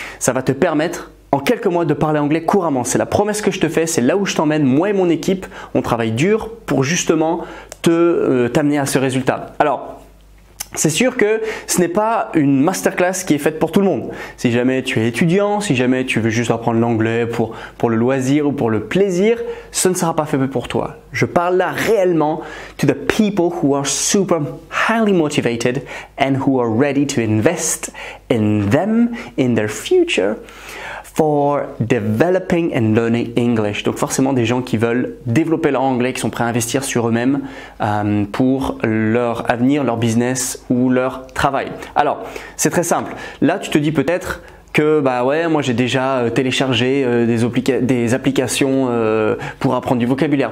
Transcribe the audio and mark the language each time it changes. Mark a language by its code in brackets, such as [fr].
[fr] Ça va te permettre en quelques mois de parler anglais couramment. C'est la promesse que je te fais, c'est là où je t'emmène, moi et mon équipe, on travaille dur pour justement t'amener à ce résultat. Alors, c'est sûr que ce n'est pas une masterclass qui est faite pour tout le monde. Si jamais tu es étudiant, si jamais tu veux juste apprendre l'anglais pour le loisir ou pour le plaisir, ce ne sera pas fait pour toi. Je parle là réellement [en] to the people who are super highly motivated and who are ready to invest in them, in their future, for developing and learning English. [fr] Donc forcément des gens qui veulent développer leur anglais, qui sont prêts à investir sur eux-mêmes pour leur avenir, leur business ou leur travail. Alors, c'est très simple. Là, tu te dis peut-être que bah ouais, moi j'ai déjà téléchargé des applications pour apprendre du vocabulaire.